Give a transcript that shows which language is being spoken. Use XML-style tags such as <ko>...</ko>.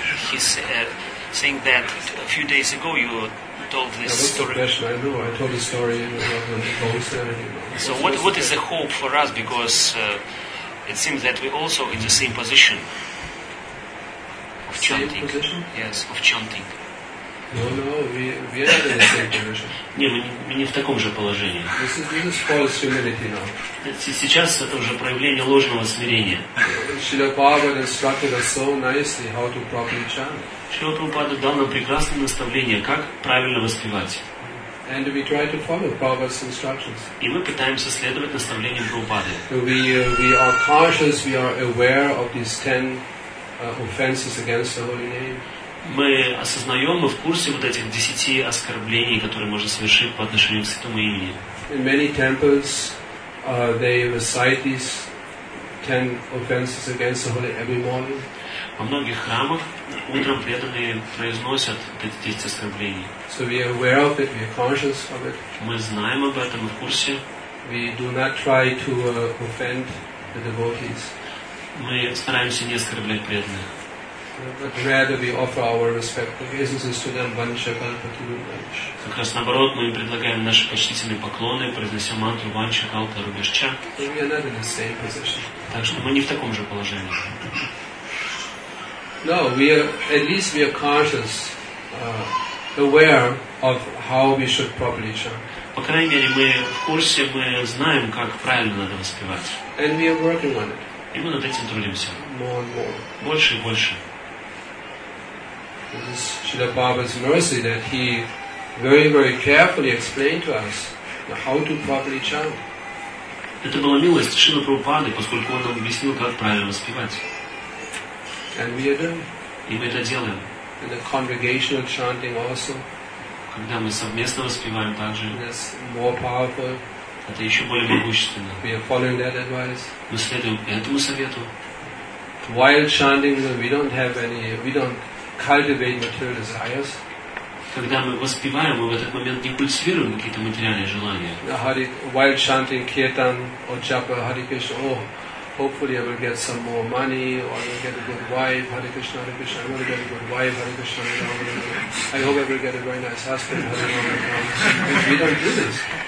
<en>He's saying that a few days ago you told this story. What's the question? I know I told the story in the poster. So what is the hope for us? Because it seems that we're also in the same position of chanting. Same position? Yes, of chanting. No, we are in the same position.</en> <ru>Не, мы не в таком же положении.</ru> <en>This is false humility now.</en> <ru>Сейчас это уже проявление ложного смирения.</ru> <en>Srila Prabhupada instructed us so nicely how to properly chant.</en> <ru>Srila Prabhupada дал нам прекрасное наставление, как правильно воспевать.</ru> <en>And we try to follow Prabhupada's instructions.</en> <ru>И мы пытаемся следовать наставлениям Прабхупады.</ru> <en>We are conscious, we are aware of these 10 offenses against the holy name.</en> <ru>Мы осознаем, мы в курсе вот этих 10 оскорблений, которые можно совершить по отношению к святому имени.</ru> <en>In many temples, they recite these 10 offenses against the holy every morning.</en> <ru>Во многих храмах утром преданные произносят эти 10 оскорблений.</ru> <en>So we are aware of it, we are conscious of it.</en> <ru>Мы знаем об этом, мы в курсе.</ru> <en>We do not try to offend the devotees.</en> <ru>Мы стараемся не оскорблять преданных.</ru> <en>But rather we offer our respect obeisances to them, Vansha Kalpa Tirubhash.</en> <ru>Как раз наоборот, мы им предлагаем наши почтительные поклоны, произносим мантру Vansha Kalpa Tirubhash.</ru> <en>We are not in the same position.</en> <ru>Так что мы не в таком же положении.</ru> <en>No, we are, at least we are conscious, aware of how we should properly chant.</en> <ru>По крайней мере, мы в курсе, мы знаем, как правильно надо воспевать.</ru> <en>And we are working on it.</en> <ru>И мы над этим трудимся.</ru> <en>More and more.</en> <ru>Больше и больше.</ru> <en>It is Srila Prabhupada's mercy that he very, very carefully explained to us how to properly chant.</en> <ru>Это была милость Шрилы Прабхупады, поскольку он нам объяснил, как правильно воспевать.</ru> <en>And we are doing.</en> <ru>И мы это делаем.</ru> <en>And the congregational chanting also.</en> <ru>Когда мы совместно воспеваем также.</ru> <en>That's more powerful.</en> <ru>Это еще более могущественно.</ru> <en>We are following that advice.</en> <ru>Мы следуем этому совету.</ru> <en>While chanting, we don't have any, we don't cultivate material desires.</en> <ru>Когда мы воспеваем, мы в этот момент не культивируем какие-то материальные желания.</ru> <en>While chanting kirtan or japa Hare Krishna, oh, hopefully I will get some more money or I will get a good wife, Hare Krishna, Hare Krishna, I want to get a good wife, Hare Krishna, Hare Krishna, I hope I will get a very nice husband, Hare Krishna. We don't do this.</en>